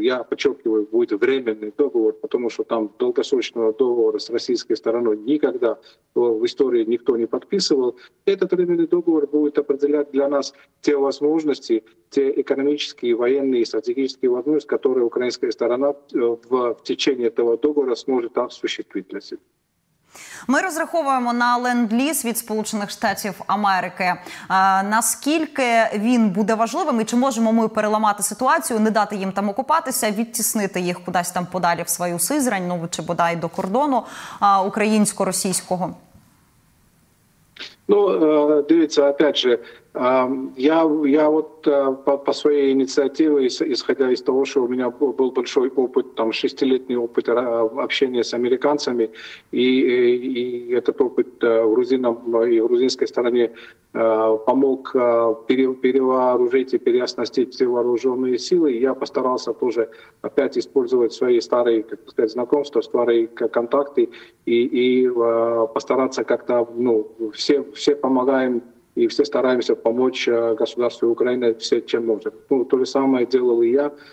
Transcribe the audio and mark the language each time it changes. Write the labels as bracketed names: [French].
[Russian] Я подчеркиваю, будет временный договор, потому что там долгосрочного договора с российской стороной никогда в истории никто не подписывал. Этот временный договор будет определять для нас те возможности, те экономические, военные и стратегические возможности, которые украинская сторона в течение этого договора сможет осуществить для себя. [Ukrainian] Ми розраховуємо на ленд-ліз від Сполучених Штатів Америки. Наскільки він буде важливим і чи можемо ми переламати ситуацію, не дати їм там окупатися, відтіснити їх кудись там подалі в свою Сизрань, ну чи бодай до кордону українсько-російського? Ну, дивіться, [Russian] опять же, [Ukrainian] я от по своїй ініціативі, [Russian] ісходя із того, що у мене був великий опыт, там, шестилетний опыт общения с американцами, і этот опыт грузинам і грузинской стороне помог перевооружить и переоснастить все вооруженные силы. Я постарался тоже опять использовать свои старые, как сказать, знакомства, старые контакты и постараться как-то, ну, все помогаем и все стараемся помочь государству Украины все, чем можем. Ну, то же самое делал и я.